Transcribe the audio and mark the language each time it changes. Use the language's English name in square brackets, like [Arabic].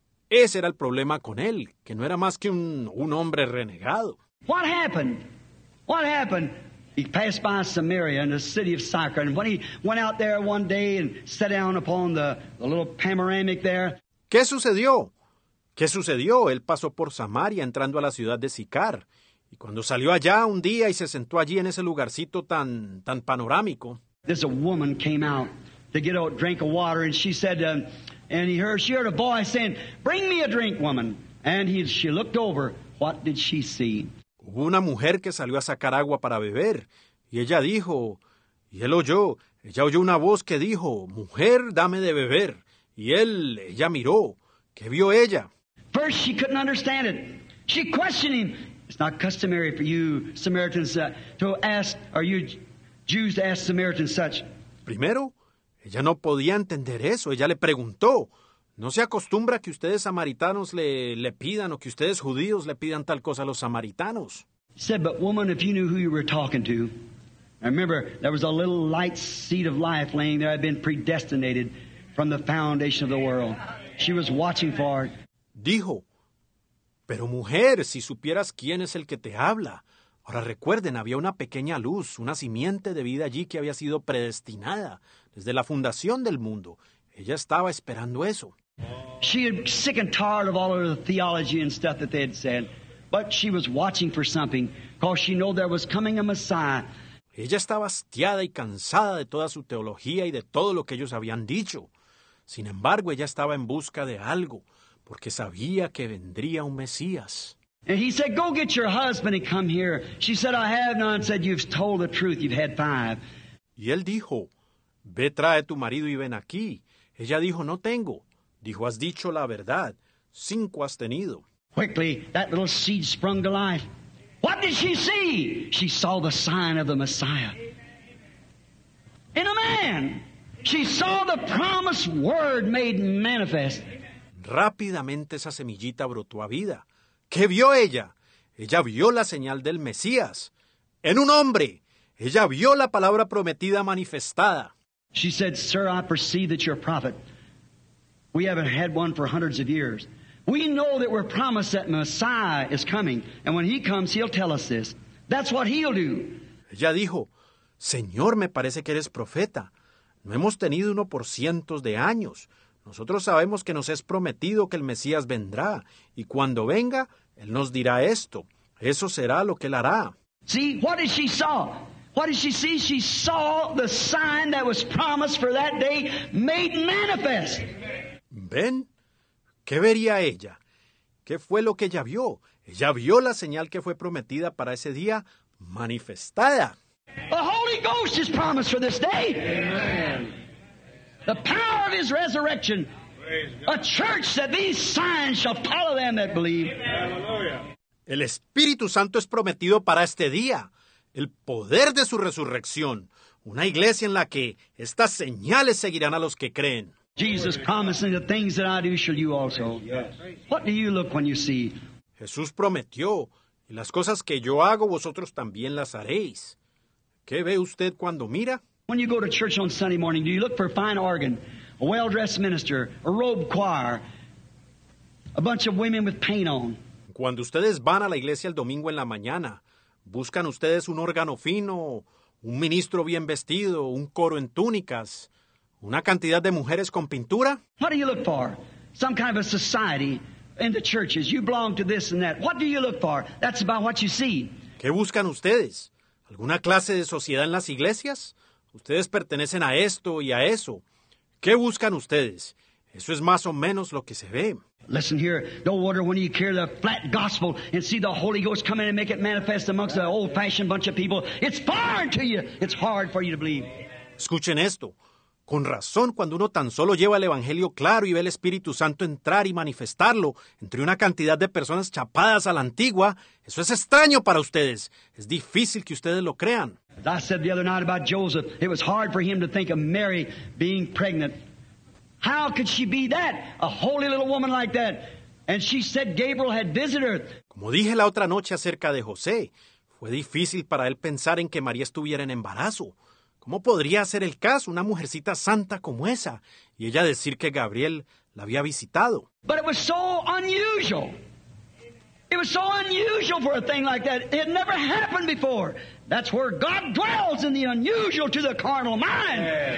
[Spanish] Ese era el problema con él, que no era más que un hombre renegado. [English] What happened? What happened? He passed by Samaria and the city of Sychar. And when he went out there one day and sat down upon the little panoramic there. [Spanish] ¿Qué sucedió? ¿Qué sucedió? Él pasó por Samaria entrando a la ciudad de Sicar. Y cuando salió allá un día y se sentó allí en ese lugarcito tan panorámico. [English] There's a woman came out to get a drink of water. And she said, and she heard a voice saying, bring me a drink, woman. And she looked over. What did she see? [Spanish] Hubo una mujer que salió a sacar agua para beber, y ella dijo, y él oyó, ella oyó una voz que dijo, mujer, dame de beber. Y ella miró, ¿qué vio ella? [English] First she couldn't understand it. She questioned him. It's not customary for you Samaritans to ask, or you Jews to ask Samaritans such. [Spanish] Primero, ella no podía entender eso. Ella le preguntó, ¿no se acostumbra que ustedes samaritanos le pidan o que ustedes judíos le pidan tal cosa a los samaritanos? [English] Said, but woman, if you knew who you were talking to. I remember there was a little light seed of life laying there. I'd been predestinated from the foundation of the world. She was watching for it. [Spanish] Dijo, pero mujer, si supieras quién es el que te habla. Ahora recuerden, había una pequeña luz, una simiente de vida allí que había sido predestinada desde la fundación del mundo. Ella estaba esperando eso. [English] She was sick and tired of all of the theology and stuff that they had said, but she was watching for something, because she knew there was coming a Messiah. [Spanish] Ella estaba hastiada y cansada de toda su teología y de todo lo que ellos habían dicho. Sin embargo, ella estaba en busca de algo, porque sabía que vendría un Mesías. [English] And he said, go get your husband and come here. She said, I have none. Said, you've told the truth. You've had five. [Spanish] Y él dijo, ve, trae tu marido y ven aquí. Ella dijo, no tengo. Dijo, has dicho la verdad. Cinco has tenido. [English] Quickly, that little seed sprung to life. What did she see? She saw the sign of the Messiah. In a man. She saw the promised word made manifest. [Spanish] Rápidamente esa semillita brotó a vida. ¿Qué vio ella? Ella vio la señal del Mesías. En un hombre. Ella vio la palabra prometida manifestada. [English] She said, sir, I perceive that you're a prophet. We haven't had one for hundreds of years. We know that we're promised that Messiah is coming. And when he comes, he'll tell us this. That's what he'll do. [Spanish] Ella dijo, señor, me parece que eres profeta. No hemos tenido uno por cientos de años. Nosotros sabemos que nos es prometido que el Mesías vendrá. Y cuando venga, él nos dirá esto. Eso será lo que él hará. [English] See, what did she saw? What did she see? She saw the sign that was promised for that day made manifest. [Spanish] Ben, ¿qué vería ella? ¿Qué fue lo que ella vio? Ella vio la señal que fue prometida para ese día manifestada. [English] The Holy Ghost is promised for this day. Amen. The power of His resurrection. A church that these signs shall follow them that believe. [Spanish] El Espíritu Santo es prometido para este día. El poder de su resurrección. Una iglesia en la que estas señales seguirán a los que creen. [English] Jesus promising the things that I do shall you also. What do you look when you see? [Spanish] Jesús prometió, y las cosas que yo hago, vosotros también las haréis. ¿Qué ve usted cuando mira? [English] When you go to church on Sunday morning, do you look for a fine organ, a well-dressed minister, a robe choir, a bunch of women with paint on? [Spanish] Cuando ustedes van a la iglesia el domingo en la mañana, ¿buscan ustedes un órgano fino, un ministro bien vestido, un coro en túnicas, una cantidad de mujeres con pintura? [English] What do you look for? Some kind of a society in the churches. You belong to this and that. What do you look for? That's about what you see. [Spanish] ¿Qué buscan ustedes? ¿Alguna clase de sociedad en las iglesias? Ustedes pertenecen a esto y a eso. ¿Qué buscan ustedes? Eso es más o menos lo que se ve. [English] Listen here, no wonder when you hear the flat gospel and see the Holy Ghost come in and make it manifest amongst the old-fashioned bunch of people. It's foreign to you. It's hard for you to believe. [Spanish] Escuchen esto. Con razón, cuando uno tan solo lleva el Evangelio claro y ve el Espíritu Santo entrar y manifestarlo entre una cantidad de personas chapadas a la antigua, eso es extraño para ustedes. Es difícil que ustedes lo crean. [English] As I said the other night about Joseph, it was hard for him to think of Mary being pregnant. How could she be that, a holy little woman like that? And she said Gabriel had visited her. [Spanish] Como dije la otra noche acerca de José, fue difícil para él pensar en que María estuviera en embarazo. ¿Cómo podría ser el caso una mujercita santa como esa y ella decir que Gabriel la había visitado? [English] But it was so unusual. It was so unusual for a thing like that. It never happened before. That's where God dwells, in the unusual to the carnal mind.